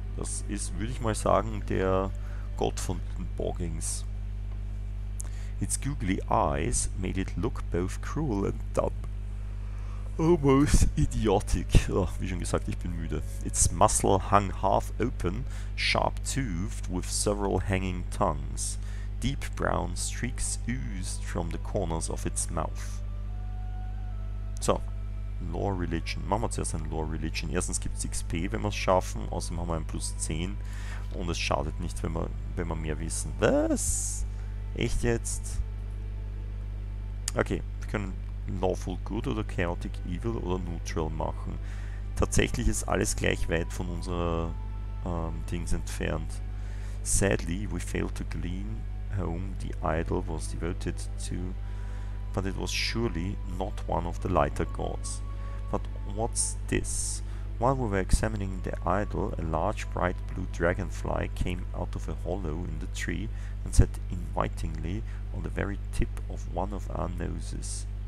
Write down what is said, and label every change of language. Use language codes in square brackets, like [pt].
[de] Das ist, würde ich mal sagen, der Gott von den Borgings. [en] Its googly eyes made it look both cruel and dumb. Almost idiotic. [de] Oh, wie schon gesagt, ich bin müde. [en] Its muscle hung half open, sharp-toothed with several hanging tongues. Deep brown streaks oozed from the corners of its mouth. [de] So, Lore Religion. Machen wir zuerst ein Lore Religion. Erstens gibt es XP, wenn wir es schaffen. Außerdem haben wir ein plus 10. Und es schadet nicht, wenn wir mehr wissen. Was? Echt jetzt? Okay, wir können Lawful Good oder Chaotic Evil oder Neutral machen. Tatsächlich ist alles gleich weit von unserer Dings entfernt. [en] Sadly, we failed to glean whom the idol was devoted to, but it was surely not one of the lighter gods. But what's this? While we were examining the idol, a large bright blue dragonfly came out of a hollow in the tree and sat invitingly on the very tip of one of our noses.